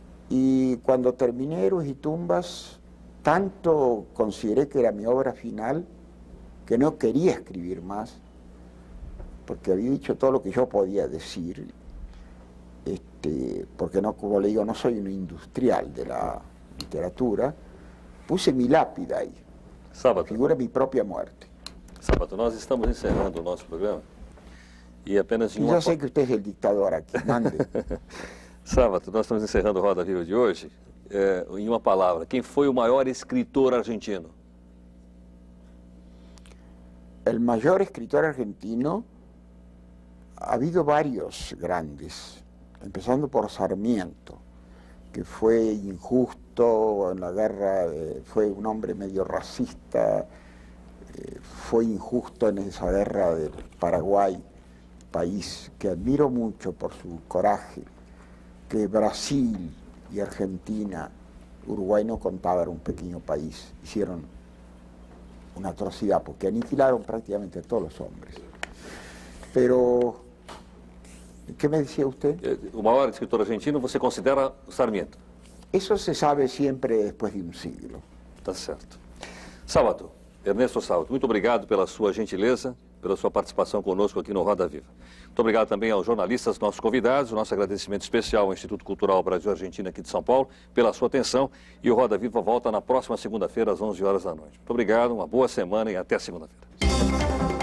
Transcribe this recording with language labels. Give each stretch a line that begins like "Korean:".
Spanish: Y cuando terminé Héroes y tumbas, tanto consideré que era mi obra final, que no quería escribir más, porque había dicho todo lo que yo podía decir, porque no, como le digo, no soy un industrial de la literatura, puse mi lápida ahí. Sábato. Figura mi propia muerte.
Portuguese: Sábato, nós estamos encerrando o nosso programa. E apenas em uma... Eu sei que você é o ditador aqui, mande. Sábato, nós estamos encerrando o Roda Viva de hoje. Em uma palavra, quem foi o maior escritor argentino?
Spanish: el mayor escritor argentino, ha habido varios grandes, empezando por Sarmiento, que fue injusto en la guerra, fue un hombre medio racista, fue injusto en esa guerra del Paraguay, país que admiro mucho por su coraje, que Brasil y Argentina, Uruguay no contaba, era un pequeño país, hicieron una atrocidad porque aniquilaron prácticamente a todos los hombres. Pero, ¿qué me decía usted? El mayor escritor argentino, ¿usted considera Sarmiento? Eso se sabe siempre después de un siglo. Está cierto.
Portuguese: Sábato, Ernesto Sábato, muito obrigado pela sua gentileza, pela sua participação conosco aqui no Roda Viva. Muito obrigado também aos jornalistas, nossos convidados, nosso agradecimento especial ao Instituto Cultural Brasil Argentina aqui de São Paulo, pela sua atenção, e o Roda Viva volta na próxima segunda-feira, às 11 horas da noite. Muito obrigado, uma boa semana e até segunda-feira.